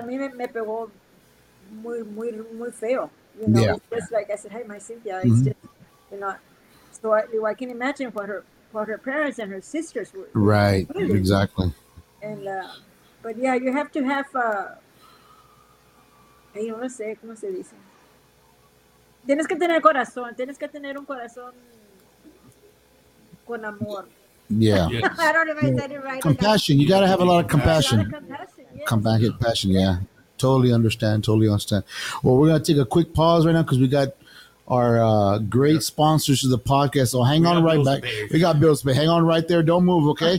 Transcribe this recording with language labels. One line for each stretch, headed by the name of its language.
Spanish: A mí me pegó muy muy muy feo.
English: You know, yeah. It's just like I said, hey, my Cynthia, it's just, you know, so I can imagine what her parents and her sisters were. Right. Really. Exactly. And but yeah, you have to have you know, say
Spanish: como se dice. Tienes que tener corazón. Tienes que tener un corazón con amor.
English: Yeah. Yes. I don't know if I said it right. Compassion. You got to have a lot of compassion. A lot of compassion. Yes. Compassion. Yeah. Totally understand. Totally understand. Well, we're going to take a quick pause right now because we got our great sponsors to the podcast. So hang on right back. We got bills to pay. Hang on right there. Don't move, okay?